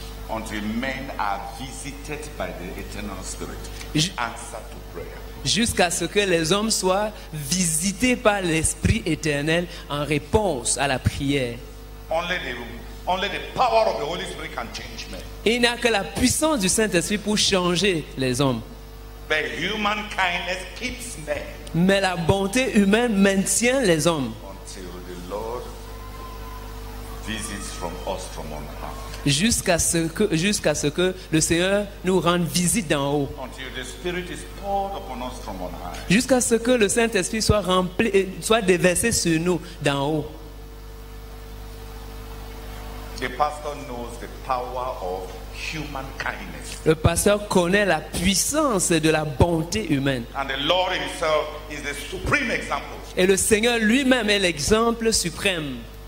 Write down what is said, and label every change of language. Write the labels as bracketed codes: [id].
[en] Until men are visited by the eternal spirit. Answer to prayer. [fr] Jusqu'à ce que les hommes soient visités par l'Esprit éternel en réponse à la prière. [en] Only the power of the Holy Spirit can change men. [fr] Il n'y a que la puissance du Saint-Esprit pour changer les hommes. [en] But human kindness keeps men. [fr] Mais la bonté humaine maintient les hommes. [en] Until the Lord visits from us from on high. [fr] Jusqu'à ce que le Seigneur nous rende visite d'en haut. [en] Until the Spirit is poured upon us from on high. [fr] Jusqu'à ce que le Saint-Esprit soit rempli, soit déversé sur nous d'en haut. [en] The pastor knows the power of human kindness. [fr] Le pasteur connaît la puissance de la bonté humaine. [en] And the Lord himself is the supreme example. [fr] Et le Seigneur lui-même est l'exemple suprême.